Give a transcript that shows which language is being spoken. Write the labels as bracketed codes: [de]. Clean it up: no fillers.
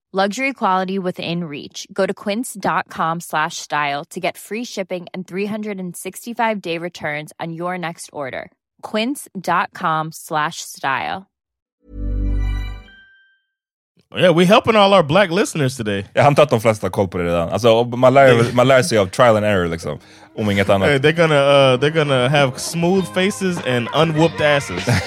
[en] Luxury quality within reach. Go to quince.com/style to get free shipping and 365-day returns on your next order. Quince.com/style. Yeah, we're helping all our black listeners today. [sv] Jag antar att de flesta har koll på det redan. Alltså, man lär sig av [en] trial and error [sv] liksom. Om inget annat. [en] Hey, they're gonna have smooth faces and unwhooped asses.